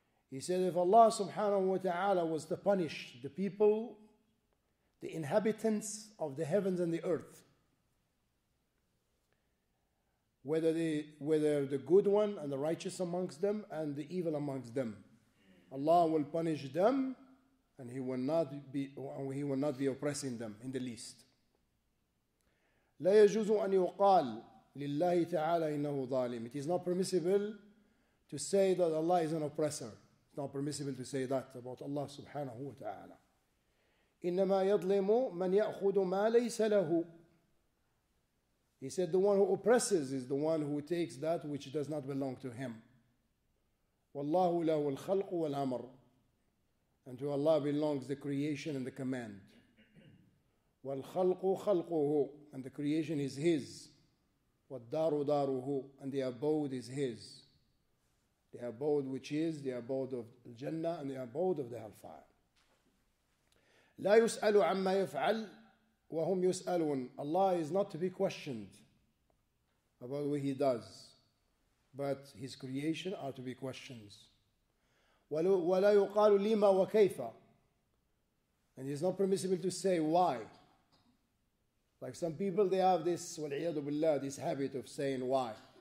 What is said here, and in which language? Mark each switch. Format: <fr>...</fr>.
<en>He said, if Allah subhanahu wa ta'ala was to punish the people, the inhabitants of the heavens and the earth, whether the good one and the righteous amongst them and the evil amongst them, Allah will punish them and he will not be oppressing them in the least.</en> <ar>لا يجوز أن يقال لله تعالى إنه ظالم.</ar> <en>It is not permissible to say that Allah is an oppressor. It's not permissible to say that about Allah subhanahu wa ta'ala.</en> <ar>إنما يظلم من يأخذ ما ليس له.</ar> <en>He said, the one who oppresses is the one who takes that which does not belong to him.</en> <ar>والله له الخلق والأمر.</ar> <en>And to Allah belongs the creation and the command.</en> <ar>والخلق خلقه.</ar> <en>And the creation is his.</en> <ar>والدار داره.</ar> <en>And the abode is his. The abode which is the abode of Jannah and the abode of the Hellfire.</en> <ar>لا يسأل عما يفعل وهم يسألون.</ar> <en>Allah is not to be questioned about what he does, but his creation are to be questioned.</en> <ar>ولا يقال لما وكيف.</ar> <en>And it's not permissible to say why. Like some people, they have this,</en> <ar>والعياذ بالله,</ar> <en>this habit of saying why.</en>